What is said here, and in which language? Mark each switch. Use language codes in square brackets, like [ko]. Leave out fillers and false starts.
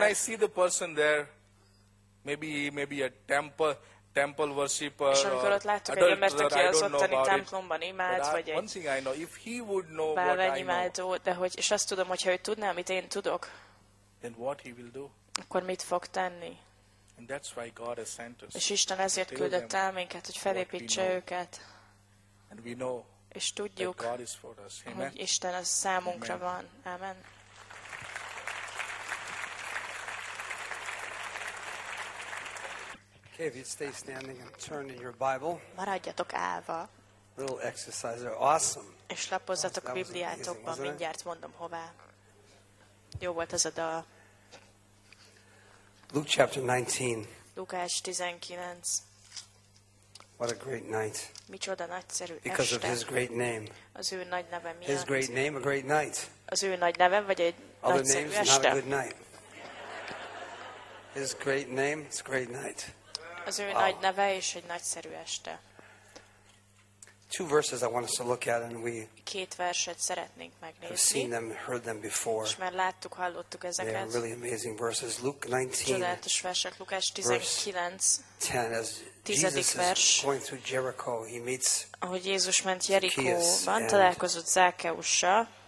[en] When I see the person there, maybe a temple, temple worshiper, [hu] és amikor ott láttuk egy embert, aki az ottani templomban imád, vagy egy bálvány imádó, de hogy, és azt tudom, hogyha ő tudná, amit én tudok, [en] then what he will do? [hu] Akkor mit fog tenni? [en] And that's why God has sent us, [hu] és Isten ezért küldött el minket, hogy felépítse őket. [en] And we know, [hu] és tudjuk, [en] that God is for us. Amen. [hu] Hogy Isten az számunkra Amen. Van. Amen. [en] Okay, if you stay standing and turn in your Bible. [hu] Maradjatok állva. [en] Little exercise there. Awesome. [hu] És lapozzatok a Bibliátokban, mindjárt mondom hová. Jó volt ez a dal. [en] Luke chapter 19. [hu] Lukács 19. [en] What a great night. [hu] Micsoda nagyszerű este. [en] Because of his great name. [hu] Az ő nagy neve miatt. [en] His great name, a great night. [hu] Az ő nagy neve, vagy egy [en] Other [hu] nagyszerű este. [en] Not a good night. His great name, it's a great night. [hu] Az ő nagy neve és egy nagyszerű este. [en] Two verses I want us to look at, and we [hu] két verset szeretnénk megnézni. [en] Have seen them, heard them before. [hu] És már láttuk, hallottuk ezeket. [en] They are really amazing verses. Luke 19. [hu] Lukács 19. [en] 10. As Jesus [hu] vers, [en] is going through Jericho, he meets. [hu] Ahogy Jézus ment Jerikóban, találkozott Zákeussal.